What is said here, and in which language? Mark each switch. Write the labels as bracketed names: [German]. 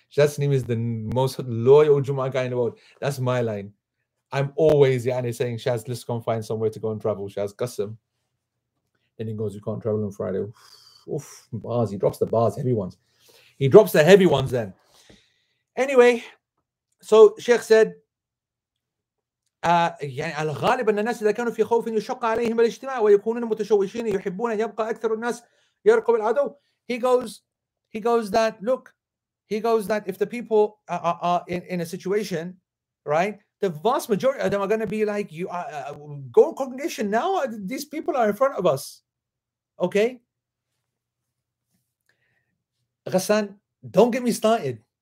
[English] Shazad Salim is the most loyal Jum'ah guy in the world. That's my line. I'm always Yani saying, Shaz, let's go and find somewhere to go and travel. Shaz, custom. Then he goes, you can't travel on Friday. Oof, bars. He drops the bars, heavy ones. He drops the heavy ones then. Anyway, so Sheikh said, [Arabic] الغالب أن الناس إذا كانوا في خوف يشق عليهم الاجتماع ويكونون متشوشين يحبون أن يبقى أكثر الناس يرقب العدو. [English] He goes that if the people are in a situation, right, the vast majority of them are going to be like, you are go congregation now. These people are in front of us. Okay. Ghassan, don't get me started.